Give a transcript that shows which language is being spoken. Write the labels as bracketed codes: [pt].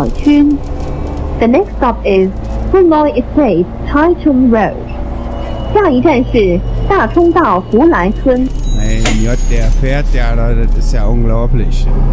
[en] The next stop is Fulmoy Estate, Tai Chung Road. [zh] 下一站是大冲道胡兰村. [de] Mein Gott, der fährt ja, Leute, das ist ja unglaublich.